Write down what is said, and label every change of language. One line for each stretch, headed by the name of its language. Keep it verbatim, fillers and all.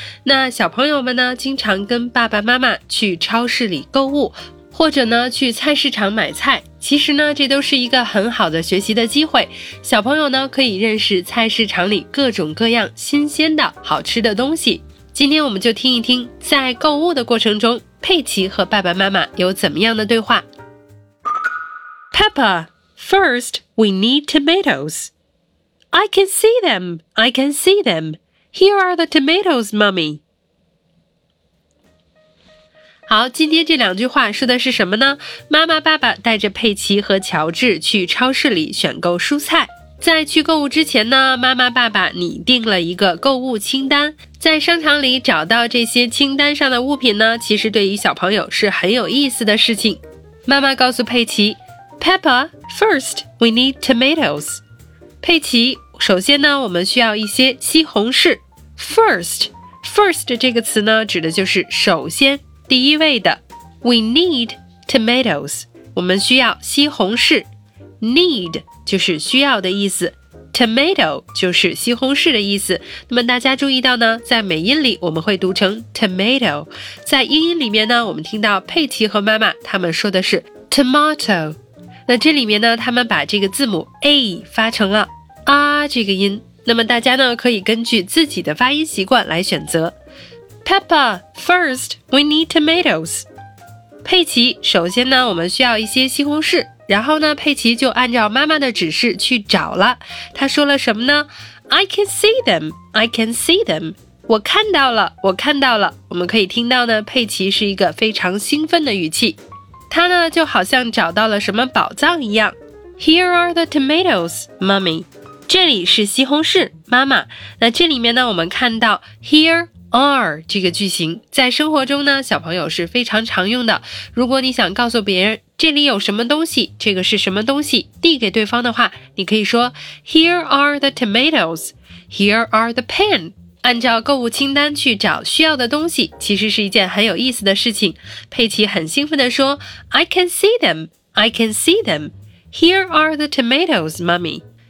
Chinese: 那小朋友们呢经常跟爸爸妈妈去超市里购物，或者呢去菜市场买菜，其实呢这都是一个很好的学习的机会。小朋友呢可以认识菜市场里各种各样新鲜的好吃的东西。今天我们就听一听，在购物的过程中，佩奇和爸爸妈妈有怎么样的对话。
English: Peppa, first we need tomatoes. I can see them, I can see them. Here are the tomatoes, Mummy.
Chinese: 好，今天这两句话说的是什么呢？妈妈、爸爸带着佩奇和乔治去超市里选购蔬菜。在去购物之前呢，妈妈、爸爸拟定了一个购物清单。在商场里找到这些清单上的物品呢，其实对于小朋友是很有意思的事情。妈妈告诉佩奇，
English: Peppa, first we need tomatoes.
Chinese: 佩奇，首先呢，我们需要一些西红柿。 First, first 这个词呢，指的就是首先、第一位的。
English: We need tomatoes.
Chinese: 我们需要西红柿。 Need 就是需要的意思。Tomato 就是西红柿的意思。那么大家注意到呢，在美音里我们会读成 tomato， 在英音里面呢，我们听到佩奇和妈妈他们说的是 tomato。那这里面呢，他们把这个字母 a 发成了啊这个音。那么大家呢，可以根据自己的发音习惯来选择。
English: Peppa, first we need tomatoes.
Chinese: 佩奇，首先呢，我们需要一些西红柿。然后呢，佩奇就按照妈妈的指示去找了。她说了什么呢？
English: I can see them, I can see them.
Chinese: 我看到了，我看到了。我们可以听到呢，佩奇是一个非常兴奋的语气。他呢就好像找到了什么宝藏一样。
English: Here are the tomatoes, Mummy.
Chinese: 这里是西红柿，妈妈。那这里面呢，我们看到 here are 这个句型，在生活中呢，小朋友是非常常用的。如果你想告诉别人这里有什么东西，这个是什么东西，递给对方的话，你可以说
English: Here are the tomatoes, Here are the pen。
Chinese: 按照购物清单去找需要的东西，其实是一件很有意思的事情。佩奇很兴奋地说
English: I can see them, I can see them. Here are the tomatoes, Mummy.